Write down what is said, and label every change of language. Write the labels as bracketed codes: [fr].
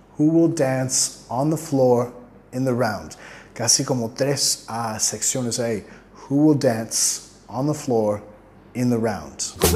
[en] Who will dance on the floor in the round? [es] Casi como tres secciones ahí. [en] Who will dance on the floor in the round?